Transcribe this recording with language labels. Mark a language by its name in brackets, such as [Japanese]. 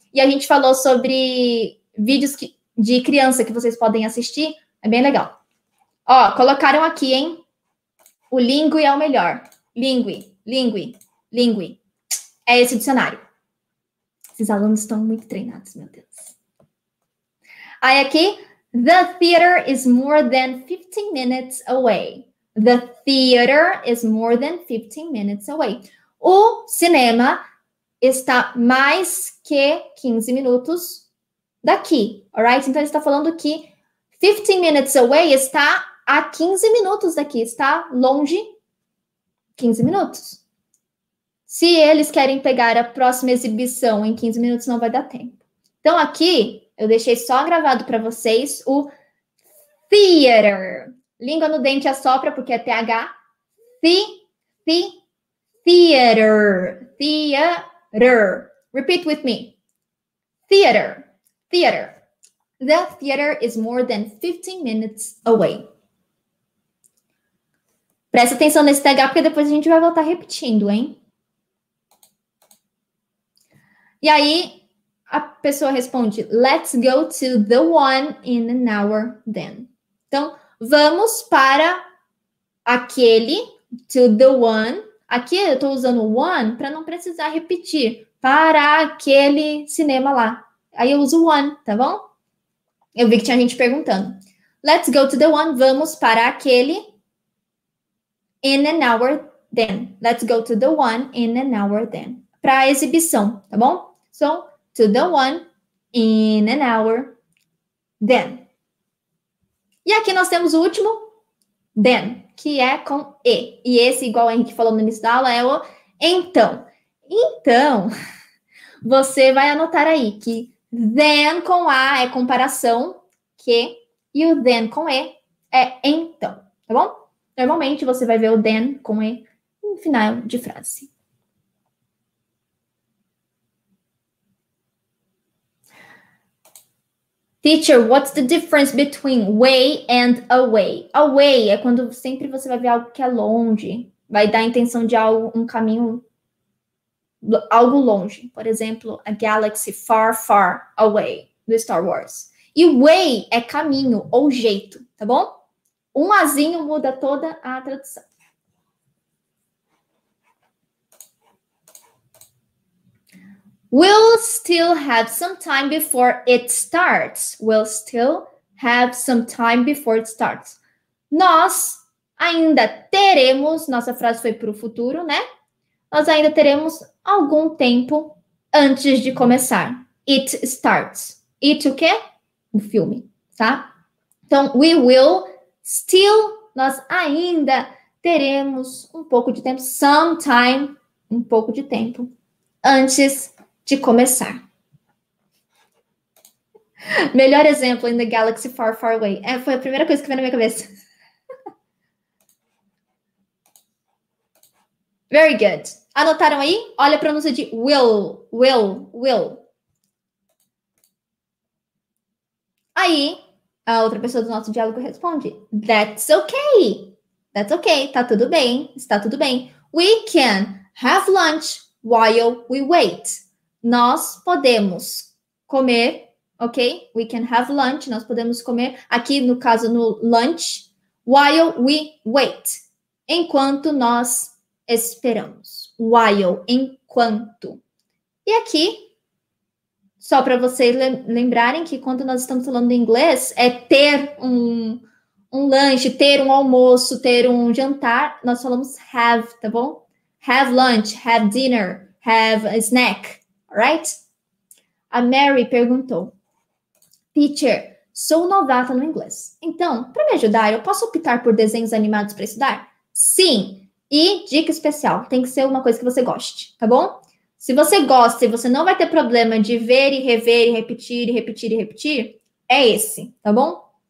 [Portuguese] E a gente falou sobre vídeos de criança que vocês podem assistir. É bem legal. Ó, colocaram aqui, hein? O Lingui é o melhor. Lingui, Lingui, Lingui. É esse o dicionário. Esses alunos estão muito treinados, meu Deus. Aí aqui, [English] the theater is more than 15 minutes away. The theater is more than 15 minutes away. [Portuguese] O cinema está mais que 15 minutos daqui, alright? Então, ele está falando que [English] 15 minutes away [Portuguese] está a 15 minutos daqui, está longe 15 minutos. Se eles querem pegar a próxima exibição em 15 minutos, não vai dar tempo. Então, aqui, eu deixei só gravado para vocês o theater. Língua no dente assopra, porque é TH. [English] Theater. Theater. Repeat with me. Theater. Theater. The theater is more than 15 minutes away. [Portuguese] Presta atenção nesse TH, porque depois a gente vai voltar repetindo, hein? E aí, a pessoa responde, [English] let's go to the one in an hour then. [Portuguese] Então, vamos para aquele, [English] to the one. [Portuguese] Aqui eu estou usando one para não precisar repetir. Para aquele cinema lá. Aí eu uso one, tá bom? Eu vi que tinha gente perguntando. [English] Let's go to the one, [Portuguese] vamos para aquele. [English] In an hour then. Let's go to the one in an hour then. [Portuguese] Para a exibição, tá bom? [English] So, to the one in an hour then. [Portuguese] E aqui nós temos o último, then, que é com E. E esse, igual a Henrique falou no início da aula, é o então. Então, você vai anotar aí que then com A é comparação, que, e o then com E é então, tá bom? Normalmente você vai ver o then com E no final de frase. [English] Teacher, what's the difference between way and away? [Portuguese] Away é quando sempre você vai ver algo que é longe, vai dar a intenção de algo, um caminho, algo longe. Por exemplo, [English] a galaxy far, far away [Portuguese] do Star Wars. E way é caminho ou jeito, tá bom? Um azinho muda toda a tradução. [English] We'll still have some time before it starts. We'll still have some time before it starts. [Portuguese] Nós ainda teremos, nossa frase foi para o futuro, né? Nós ainda teremos algum tempo antes de começar. [English] It starts. [Portuguese] It o quê? O filme, tá? Então, [English] we will still, [Portuguese] nós ainda teremos um pouco de tempo, some time, um pouco de tempo antes de começar. Melhor exemplo [English] in the galaxy far, far away. [Portuguese] É, foi a primeira coisa que veio na minha cabeça. [English] Very good. [Portuguese] Anotaram aí? Olha a pronúncia de will, will, will. Aí, a outra pessoa do nosso diálogo responde: [English] That's okay. That's okay. [Portuguese] Tá tudo bem. Está tudo bem. [English] We can have lunch while we wait. [Portuguese] Nós podemos comer, ok? [English] We can have lunch. [Portuguese] Nós podemos comer aqui, no caso, no lunch, [English] while we wait. [Portuguese] Enquanto nós esperamos. While, enquanto. E aqui, só para vocês lembrarem que quando nós estamos falando em inglês, é ter um lanche, ter um almoço, ter um jantar. Nós falamos have, tá bom? [English] Have lunch, have dinner, have a snack. Right? [Portuguese] A Mary perguntou, Teacher, sou novata no inglês. Então, para me ajudar, eu posso optar por desenhos animados para estudar? Sim. E dica especial, tem que ser uma coisa que você goste, tá bom? Se você gosta e você não vai ter problema de ver e rever e repetir e repetir e repetir, é esse, tá bom?